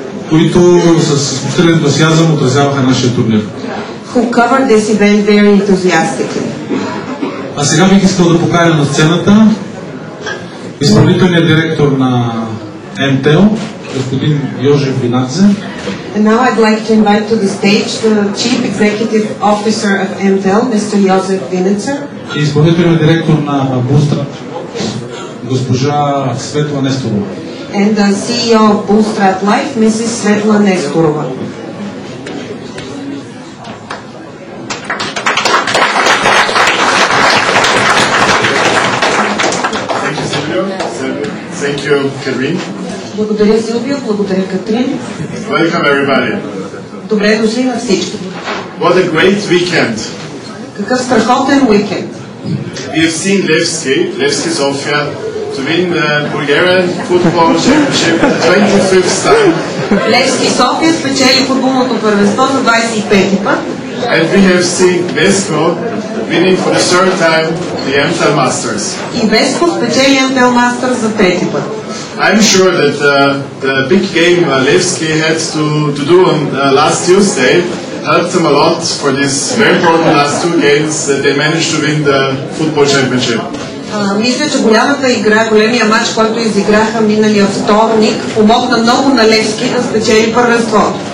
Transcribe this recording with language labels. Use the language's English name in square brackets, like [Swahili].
[Bulgarian] Които с изключителен ентусиазъм отразяваха нашия турнир. [English] Who covered this event very enthusiastically. [Bulgarian] А сега бих искал да поканя на сцената изпълнителният директор на Mtel, господин Йожи Винадзе. [English] And now I'd like to invite to the stage the Chief Executive Officer of Mtel, Mr. [Bulgarian] Йозеф Винадзе. И изпълнителният директор на Бустрат, госпожа Светла Несторова. [English] And the CEO of Bullstrap Life, Mrs. Светла Несторова. Thank you, Katrin. [Bulgarian] Благодаря, Силвио. Благодаря, Катрин. [English] Welcome, everybody. [Bulgarian] Добре дошли на всички. [English] What a great weekend. [Bulgarian] Какъв страхотен уикенд. [English] We have seen Левски София, to win the Bulgarian football championship for the 25th time. [Bulgarian] Левски София спечели футболното първенство за 25-ти път. [English] And we have seen Vesco winning for the third time the Mtel Masters. [Bulgarian] И Vesco спечели Mtel Masters за трети път. [English] I'm sure that the big game Levski had to do on last Tuesday helped them a lot for these very important last two games that they managed to win the football championship. [Bulgarian] Мисля, че голямата игра, големия матч, който изиграха миналия вторник, помогна много на Левски да спечели първенство.